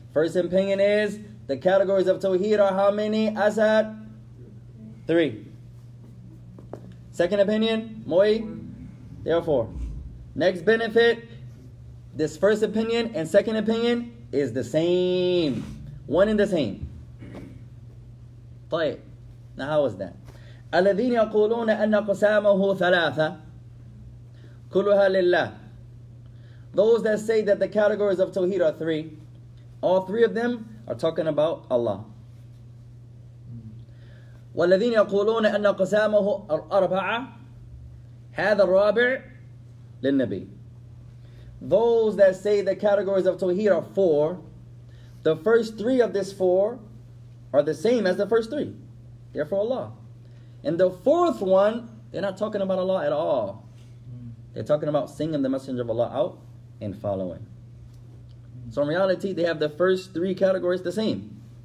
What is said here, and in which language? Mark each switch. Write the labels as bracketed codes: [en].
[en] First opinion is the categories of Tawheed are how many? Asad? Three. Second opinion? Moi? There are four. Next benefit, this first opinion and second opinion is the same. One and the same. طيب. Now how is that? [ar] الذين يقولون أن قسامه ثلاثة كلها لله. [en] Those that say that the categories of Tawheed are three, all three of them are talking about Allah. [ar] والذين يقولون أن قسامه أربعة هذا الرابع للنبي. [en] Those that say the categories of Tawheed are four, the first three of this four are the same as the first three. Therefore Allah. And the fourth one, they're not talking about Allah at all. They're talking about singing the Messenger of Allah out and following. So in reality, they have the first three categories the same.